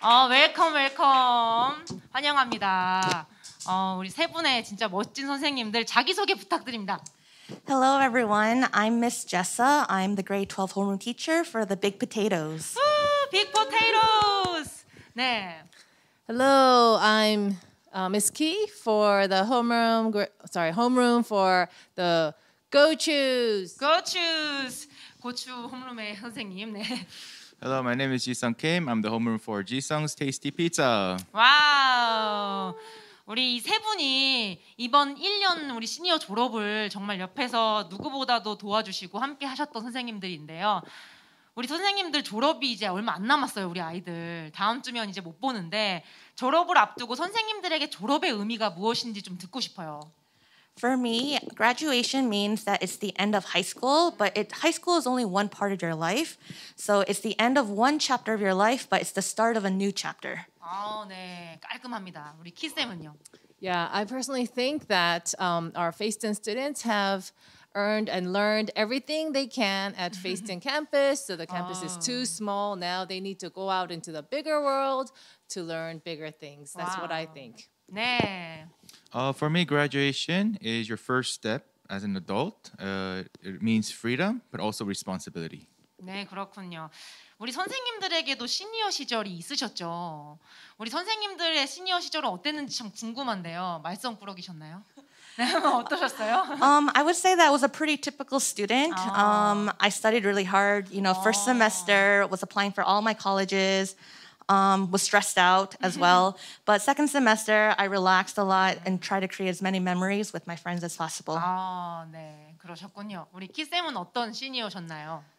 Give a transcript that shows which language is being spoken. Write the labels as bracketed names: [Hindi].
[Korean] 웰컴 웰컴, 환영합니다. 우리 세 분의 진짜 멋진 선생님들 자기소개 부탁드립니다. [English] Hello everyone, I'm Miss Jessa. I'm the grade 12 homeroom teacher for the Big Potatoes. Big Potatoes! 네. Hello, I'm Miss Key for the homeroom. Sorry, homeroom for the Gochus. [Korean] Gochus, Gochu homeroom의 선생님. 네. [English] Hello, my name is Jisung Kim. I'm the homeroom for Jisung's Tasty Pizza. [Korean] 와우. 우리 세 분이 이번 1년 우리 시니어 졸업을 정말 옆에서 누구보다도 도와주시고 함께 하셨던 선생님들인데요. 우리 선생님들 졸업이 이제 얼마 안 남았어요. 우리 아이들 다음 주면 이제 못 보는데, 졸업을 앞두고 선생님들에게 졸업의 의미가 무엇인지 좀 듣고 싶어요. [English] For me, graduation means that it's the end of high school, but high school is only one part of your life. So it's the end of one chapter of your life, but it's the start of a new chapter. [Korean] 아, 네, 깔끔합니다. 우리 키 쌤은요? [English] Yeah, I personally think that our Faceton students have earned and learned everything they can at Faceton campus. So the campus is too small. Now they need to go out into the bigger world to learn bigger things. That's what I think. [Korean] 네. [English] For me, graduation is your first step as an adult. It means freedom, but also responsibility. [Korean] 네, 그렇군요. 우리 선생님들에게도 시니어 시절이 있으셨죠? 우리 선생님들의 시니어 시절은 어땠는지 참 궁금한데요. 말썽 부러기셨나요? 어떠셨어요? [English] I would say that I was a pretty typical student. I studied really hard. You know, first semester, was applying for all my colleges, was stressed out as well. But second semester, I relaxed a lot and tried to create as many memories with my friends as possible. [Korean] 아, 네, 그러셨군요. 우리 키쌤은 어떤 시니어셨나요?